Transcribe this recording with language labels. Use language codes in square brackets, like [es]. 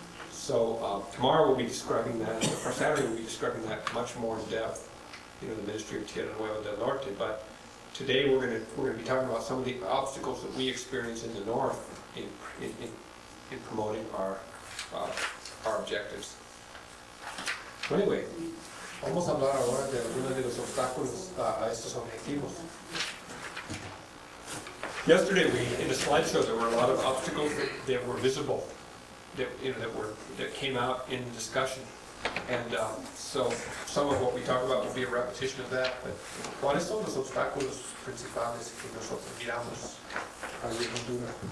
[en] So tomorrow we'll be describing that, or Saturday we'll be describing that much more in depth, the ministry of Tierra Nueva del Norte. But today we're going to be talking about some of the obstacles that we experience in the North in promoting our objectives. So anyway, [es] Vamos a hablar ahora de algunos de los obstáculos a estos objetivos. [en] Yesterday, we in the slideshow, there were a lot of obstacles that were visible, that, you know, that came out in discussion. And so some of what we talk about will be a repetition of that. [es] But ¿cuáles son los obstáculos principales que nosotros miramos a la cultura?